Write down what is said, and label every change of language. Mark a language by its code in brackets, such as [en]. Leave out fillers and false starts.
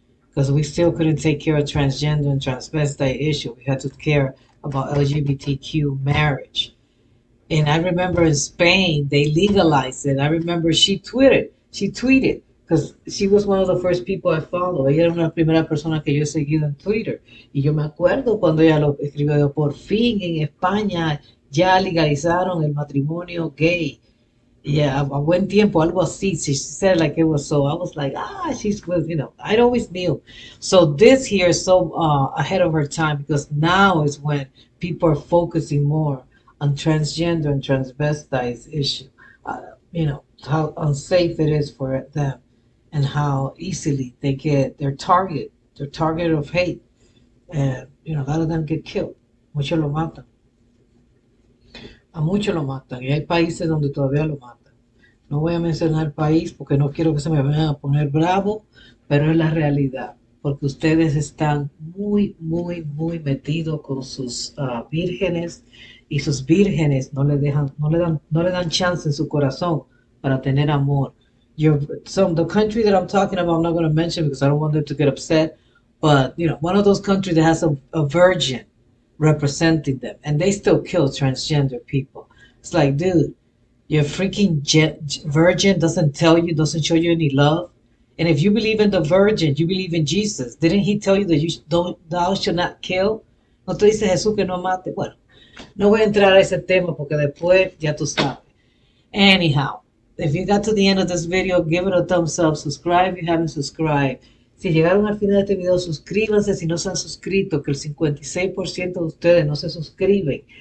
[en] Because we still couldn't take care of transgender and transvestite issue. We had to care about LGBTQ marriage. And I remember in Spain, they legalized it. I remember she tweeted, because she was one of the first people I followed. [es] Ella era una primera persona que yo he seguido en Twitter. Y yo me acuerdo cuando ella lo escribió, por fin en España, ya legalizaron el matrimonio gay. [en] Yeah, [es] a buen tiempo, algo así. [en] She said like it was so. I was like, ah, she's with, you know, I always knew. So this here is so ahead of her time because now is when people are focusing more on transgender and transvestite issue. You know, how unsafe it is for them and how easily they get their target of hate. And, you know, a lot of them get killed. [es] Muchos lo matan. A muchos lo matan y hay países donde todavía lo matan. No voy a mencionar país porque no quiero que se me vayan a poner bravo, pero es la realidad. Porque ustedes están muy, muy, muy metidos con sus vírgenes y sus vírgenes no le dan chance en su corazón para tener amor. [en] The country that I'm talking about, I'm not going to mention because I don't want them to get upset, but you know, one of those countries that has a virgin representing them, and they still kill transgender people. It's like, dude, your freaking virgin doesn't tell you, doesn't show you any love. And if you believe in the virgin, you believe in Jesus. Didn't he tell you that you thou shalt not kill? [es] No tú dices Jesús que no mate. Bueno, no voy a entrar a ese tema porque después ya tú sabes. [en] Anyhow, if you got to the end of this video, give it a thumbs up. Subscribe if you haven't subscribed. [es] Si llegaron al final de este video, suscríbanse si no se han suscrito, que el 56% de ustedes no se suscriben.